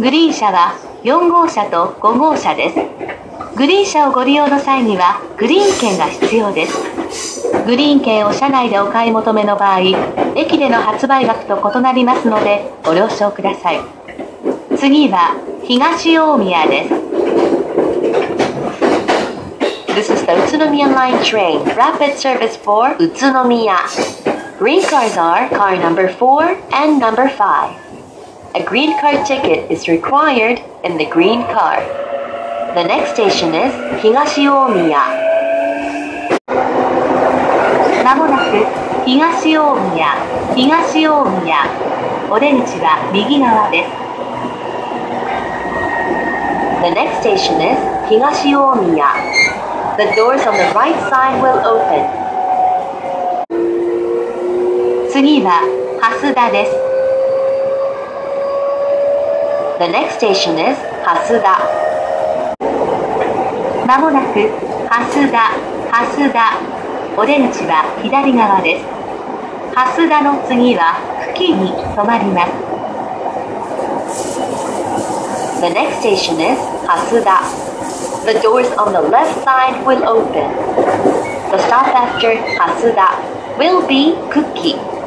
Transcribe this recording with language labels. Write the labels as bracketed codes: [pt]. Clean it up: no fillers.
[ja] グリーン車は4号車と5号車です。グリーン車をご利用の際にはグリーン券が必要です。グリーン券を車内でお買い求めの場合、駅での発売額と異なりますのでご了承ください。次は東大宮です。 [en] This is the 宇都宮 Line Train Rapid Service for 宇都宮。 Green cars are car number 4 and number 5. A green car ticket is required in the green carThe next station is 東大宮。 [ja] まもなく東大宮、東大宮、お出口は右側です。 [en] The next station is 東大宮。 The doors on the right side will open。 [ja] 次は蓮田です。 [en] The next station is 蓮田。 [ja] まもなく蓮田、蓮田、お出口は左側です。蓮田の次は久喜に止まります。 [en] The next station is 蓮田。 The doors on the left side will open. The stop after 蓮田 will be 久喜。